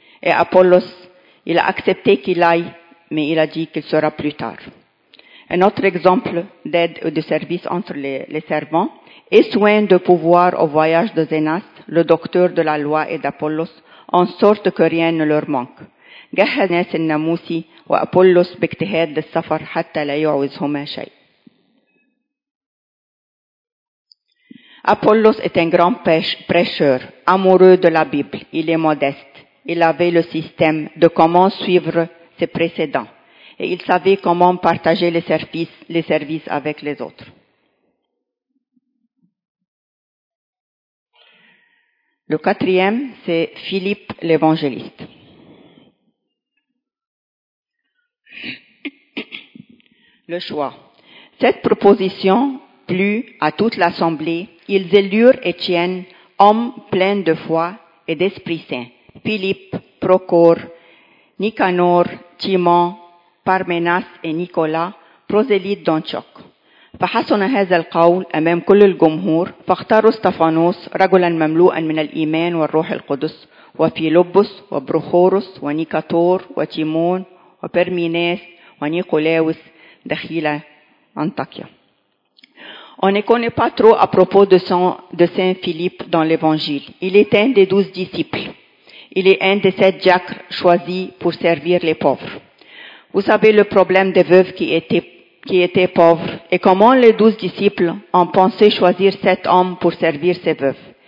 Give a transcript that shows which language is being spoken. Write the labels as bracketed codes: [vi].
[fr] Et Apollos, il a accepté qu'il aille, mais il a dit qu'il sera plus tard. Un autre exemple d'aide et de service entre les servants est soin de pouvoir au voyage de Zénas, le docteur de la loi et d'Apollos, en sorte que rien ne leur manque. [ar] جهز الناموسي وأبولوس باجتهاد للسفر حتى لا يعوزهما شيء. [fr] Apollos est un grand prêcheur, amoureux de la Bible. Il est modeste. Il avait le système de comment suivre ses précédents. Et il savait comment partager les services avec les autres. Le quatrième, c'est Philippe l'évangéliste. Le choix. Cette proposition plut à toute l'assemblée. Ils élurent Étienne, homme plein de foi et d'Esprit Saint, Philippe, Procor, Nicanor, Timon, Parménas et Nicolas, prosélytes d'Antioque. [ar] فحسن هذا القول أمام كل الجمهور فاختاروا استفانوس رجلا مملوءا من الإيمان والروح القدس وفيلبس وبروخورس ونيكاتور وتيمون وبرميناس ونيكولاوس دخيلة أنطاكيا. [fr] On ne connaît pas trop à propos de Saint Philippe dans l'Évangile. Il est un des 12 disciples. Il est un des 7 diacres choisis pour servir les pauvres. Vous savez le problème des veuves qui étaient pauvres et comment les 12 disciples ont pensé choisir 7 hommes pour servir ces veuves.